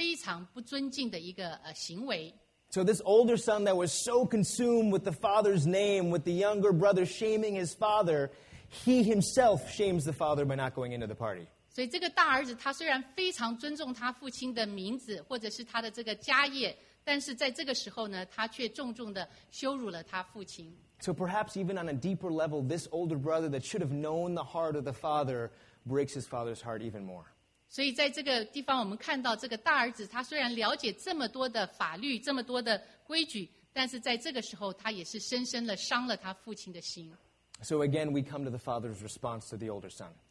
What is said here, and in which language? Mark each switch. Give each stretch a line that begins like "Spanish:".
Chinese: 而这个他这样子不愿意参与这个庆祝呢，也是一个非常不尊敬的一个行为。
English: So this older son that was so consumed with the father's name, with the younger brother shaming his father, he himself shames the father by not going into the party.
Chinese: 所以这个大儿子他虽然非常尊重他父亲的名字，或者是他的这个家业，但是在这个时候呢，他却重重的羞辱了他父亲。
English: So perhaps even on a deeper level, this older brother that should have known the heart of the father breaks his father's heart even more.
Chinese: 所以在这个地方我们看到这个大儿子他虽然了解这么多的法律，这么多的规矩，但是在这个时候他也是深深的伤了他父亲的心。
English: So again, we come to the father's response to the older son.